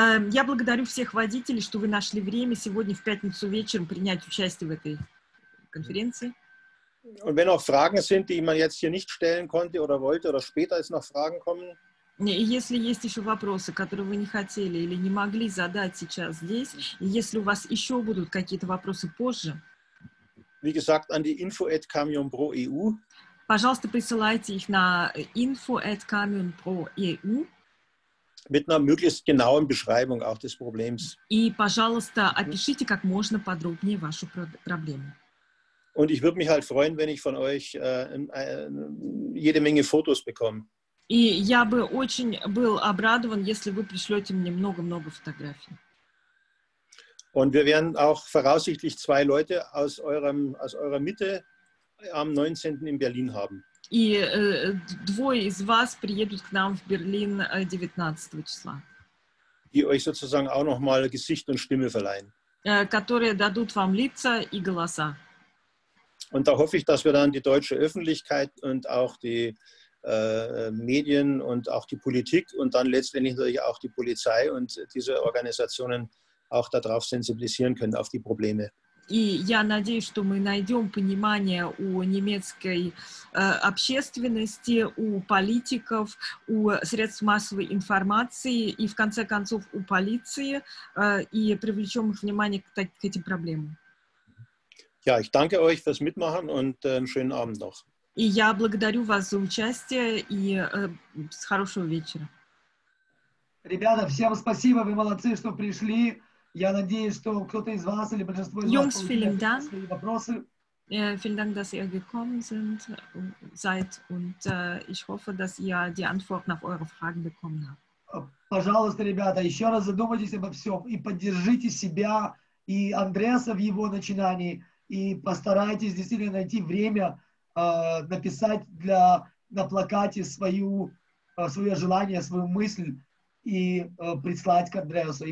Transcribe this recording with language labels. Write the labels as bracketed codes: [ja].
[ru] Я благодарю всех водителей, что вы нашли время сегодня в пятницу вечером принять участие в этой конференции. [de] Und wenn auch Fragen sind, die man jetzt hier nicht stellen konnte oder wollte oder später ist noch Fragen kommen. [ru] И если есть еще вопросы, которые вы не хотели или не могли задать сейчас здесь, и если у вас еще будут какие-то вопросы позже. [de] Wie gesagt, an die info@camionpro.eu. [ru] Пожалуйста, присылайте их на info@camionpro.eu. [de] Mit einer möglichst genauen Beschreibung auch des Problems. [ru] И, пожалуйста, опишите как можно подробнее вашу проблему. [de] Und ich würde mich halt freuen, wenn ich von euch jede Menge Fotos bekomme. [ru] И я бы очень был обрадован, если вы пришлете мне много-много фотографий. [de] Und wir werden auch voraussichtlich zwei Leute aus eurer Mitte am 19. in Berlin haben. [ru] И двое из вас приедут к нам в Берлин 19 числа. [de] Die euch sozusagen auch nochmal Gesicht und Stimme verleihen. [ru] Которые дадут вам лица и голоса. [de] Und da hoffe ich, dass wir dann die deutsche Öffentlichkeit und auch die Medien und auch die Politik und dann letztendlich natürlich auch die Polizei und diese Organisationen auch darauf sensibilisieren können, auf die Probleme. [ru] И я надеюсь, что мы найдем понимание у немецкой общественности, у политиков, у средств массовой информации и, в конце концов, у полиции и привлечем их внимание к этим проблемам. [de] Ja, ich danke euch fürs Mitmachen und einen schönen Abend noch. [ru] И я благодарю вас за участие и хорошего вечера. Ребята, всем спасибо, вы молодцы, что пришли. Я надеюсь, что кто-то из вас или большинство из [de] Jungs, [ru] вас получили Dank. Свои вопросы. [de] Vielen Dank, dass ihr gekommen sind, seid und ich hoffe, dass ihr die Antwort auf eure Fragen bekommen habt. [ru] Пожалуйста, ребята, еще раз задумайтесь обо всем и поддержите себя и Андреаса в его начинании. И постарайтесь действительно найти время написать на плакате свое желание, свою мысль и прислать к Андреасу.